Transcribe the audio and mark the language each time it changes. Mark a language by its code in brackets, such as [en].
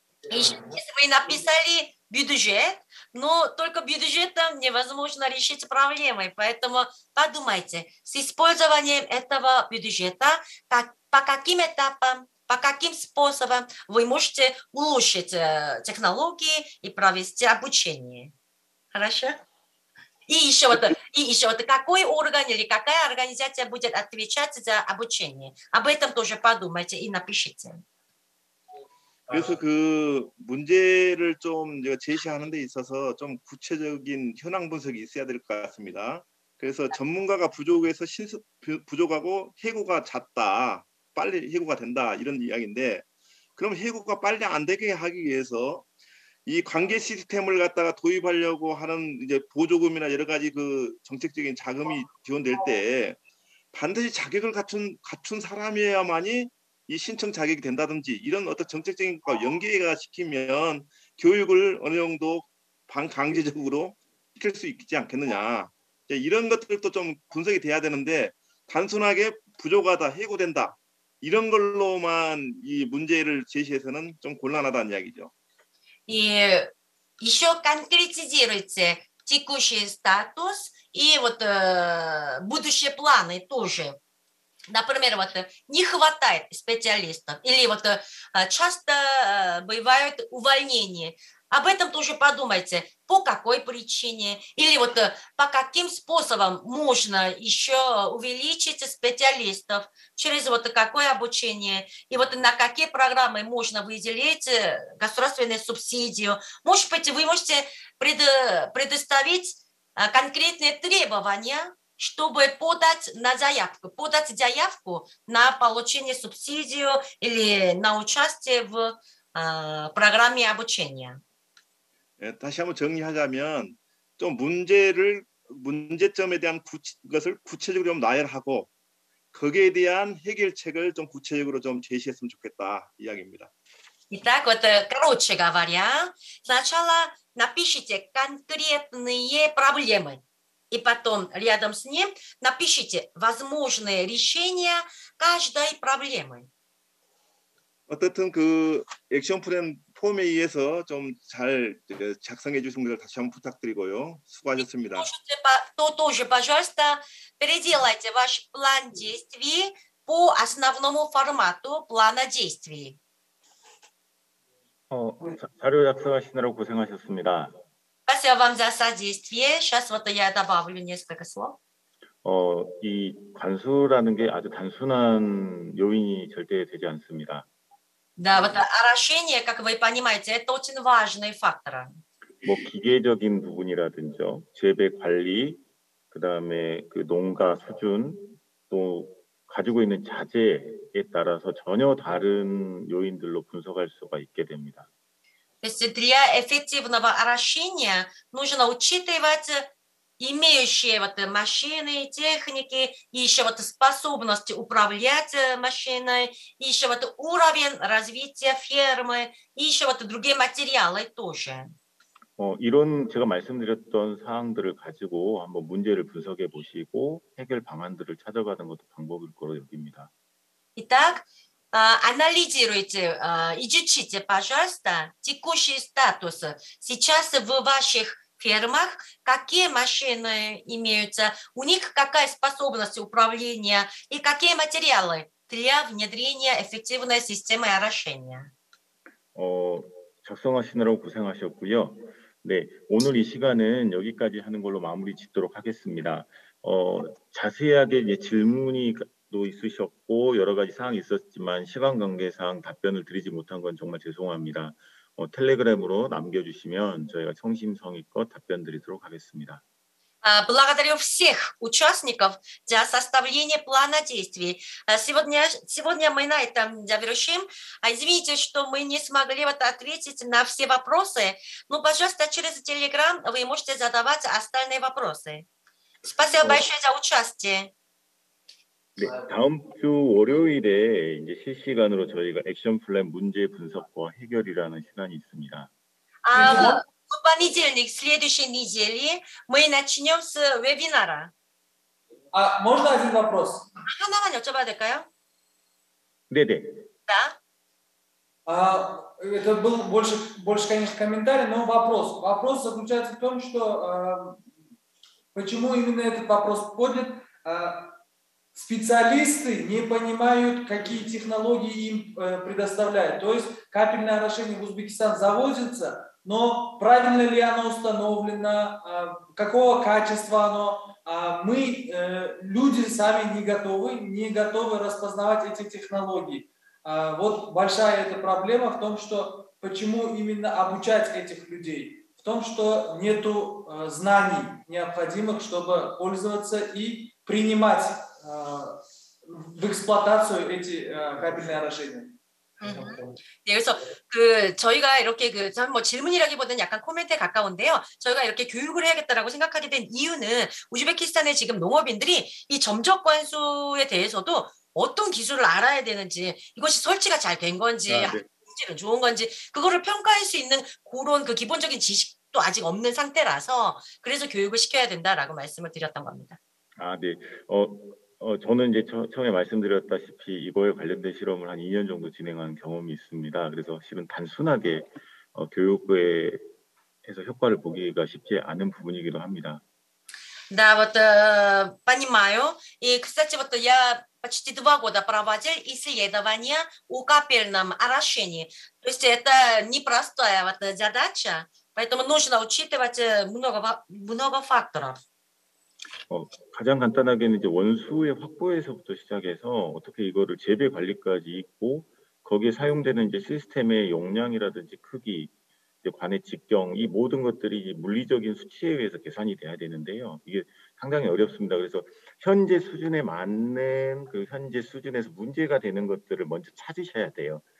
[ru] И если вы написали бюджет, но только бюджетом невозможно решить проблемы, поэтому подумайте, с использованием этого бюджета, по каким этапам, по каким способам вы можете улучшить технологии и провести обучение. Хорошо? И еще вот, какой орган или какая организация будет отвечать за обучение? Об этом тоже подумайте и напишите. [ko] 그래서 그 문제를 좀 제가 제시하는 데 있어서 좀 구체적인 현황 분석이 있어야 될 것 같습니다. 그래서 전문가가 부족해서 부족하고 해고가 잦다, 빨리 해고가 된다 이런 이야기인데 그럼 해고가 빨리 안 되게 하기 위해서 이 관계 시스템을 갖다가 도입하려고 하는 이제 보조금이나 여러 가지 그 정책적인 자금이 지원될 때 반드시 자격을 갖춘 사람이어야만이 이 신청 자격이 된다든지 이런 어떤 정책적인 것과 연계가 시키면 교육을 어느 정도 반강제적으로 시킬 수 있지 않겠느냐. 이런 것들도 좀 분석이 돼야 되는데 단순하게 부족하다, 해고된다 이런 걸로만 이 문제를 제시해서는 좀 곤란하다는 이야기죠. 이 이슈 간트리지지를지 [ru] текущий статус и вот будущие планы тоже. Например, вот не хватает специалистов или вот часто бывают увольнения. Об этом тоже подумайте, по какой причине или вот по каким способам можно еще увеличить специалистов, через вот какое обучение и вот на какие программы можно выделить государственную субсидию. Может быть, вы можете предоставить конкретные требования, чтобы подать заявку на получение субсидию или на участие в программе обучения. [ko] 다시 한번 정리하자면 좀 문제점에 대한 것을 구체적으로 좀 나열하고 거기에 대한 해결책을 좀 구체적으로 좀 제시했으면 좋겠다 이야기입니다. [ru] Итак, вот короче говоря, сначала напишите конкретные проблемы и потом рядом с ним напишите возможные решения каждой проблемы. [ko] 어쨌든 그 액션 플랜 폼에 의해서 좀 잘 작성해 주신 것을 다시 한번 부탁드리고요. 수고하셨습니다. 또 [ru] пожалуйста, переделайте ваш план действий по основному формату плана действий. [ko] 자료 작성하시느라고 고생하셨습니다. [ru] Спасибо вам за содействие. Сейчас вот я добавлю несколько слов. [ko] 이 관수라는 게 아주 단순한 요인이 절대 되지 않습니다. [ru] Да, вот орошение, как вы понимаете, это очень важный фактор. [ko] 뭐 기계적인 부분이라든지 재배 관리, 그다음에 그 농가 수준, 또 가지고 있는 자재에 따라서 전혀 다른 요인들로 분석할 수가 있게 됩니다. [ru] То есть для эффективного орошения нужно учитывать имеющие вот машины, техники, и еще вот способность управлять машиной, и еще вот уровень развития фермы, и еще вот другие материалы тоже. [ko] 이런 제가 말씀드렸던 사항들을 가지고 한번 문제를 분석해 보시고 해결 방안들을 찾아가는 것도 방법일 거로 여깁니다. [ru] Итак, анализируйте, изучите, пожалуйста, текущий статус. Сейчас в ваших фермах, какие машины имеются, у них какая способность управления и какие материалы для внедрения эффективной системы орошения. [ko] 작성하시느라고 고생하셨고요. 네, 오늘 이 시간은 여기까지 하는 걸로 마무리 짓도록 하겠습니다. 자세하게 이제 질문이도 있으셨고 여러 가지 사항이 있었지만 시간 관계상 답변을 드리지 못한 건 정말 죄송합니다. 텔레그램으로 남겨주시면 저희가 성심성의껏 답변드리도록 하겠습니다. [ru] Благодарю всех участников за составление плана действий. Сегодня мы на этом завершим. Извините, что мы не смогли вот ответить на все вопросы, но, пожалуйста, через Telegram вы можете задавать остальные вопросы. Спасибо большое за участие. [ko] 네, 다음 주 월요일에 이제 실시간으로 저희가 액션 플랜 문제 분석과 해결이라는 시간이 있습니다. 아, [ru] понедельник, следующей недели мы начнём с вебинара. [ko] 아, [ru] можно один вопрос? [ko] 하나만 여쭤봐도 될까요? 네, 네. 자. 아, [ru] это был больше конечно, комментарий, но вопрос. Вопрос заключается в том, что почему именно этот вопрос подняли? Специалисты не понимают, какие технологии им предоставляют. То есть капельное орошение в Узбекистан завозится, но правильно ли оно установлено, какого качества оно, мы, люди сами не готовы распознавать эти технологии. Вот большая эта проблема в том, что почему именно обучать этих людей? В том, что нет знаний необходимых, чтобы пользоваться и принимать в эксплуатацию эти капельные орошения. Mm-hmm. [ko] 네, 그래서 그 저희가 이렇게 그 뭐 질문이라기보다는 약간 코멘트에 가까운데요. 저희가 이렇게 교육을 해야겠다라고 생각하게 된 이유는 우즈베키스탄의 지금 농업인들이 이 점적 관수에 대해서도 어떤 기술을 알아야 되는지 이것이 설치가 잘 된 건지 품질은 좋은 건지 그거를 평가할 수 있는 그런 그 기본적인 지식 또 아직 없는 상태라서 그래서 교육을 시켜야 된다라고 말씀을 드렸던 겁니다. 아, 네. 저는 이제 처음에 말씀드렸다시피 이거에 관련된 실험을 한 2년 정도 진행한 경험이 있습니다. 그래서 실은 단순하게 교육부에서 효과를 보기가 쉽지 않은 부분이기도 합니다. 네, 맞다. [ru] 빠니마요. [ko] 이 그사치부터 [ru] 야 почти два года проводил исследования о капельном орошении. То есть это непростая вот задача, поэтому нужно учитывать много факторов. [ko] 가장 간단하게는 이제 원수의 확보에서부터 시작해서 어떻게 이거를 재배 관리까지 있고 거기에 사용되는 이제 시스템의 용량이라든지 크기, 이제 관의 직경 이 모든 것들이 이제 물리적인 수치에 의해서 계산이 돼야 되는데요. 이게 상당히 어렵습니다. 그래서 현재 수준에 맞는 그 현재 수준에서 문제가 되는 것들을 먼저 찾으셔야 돼요.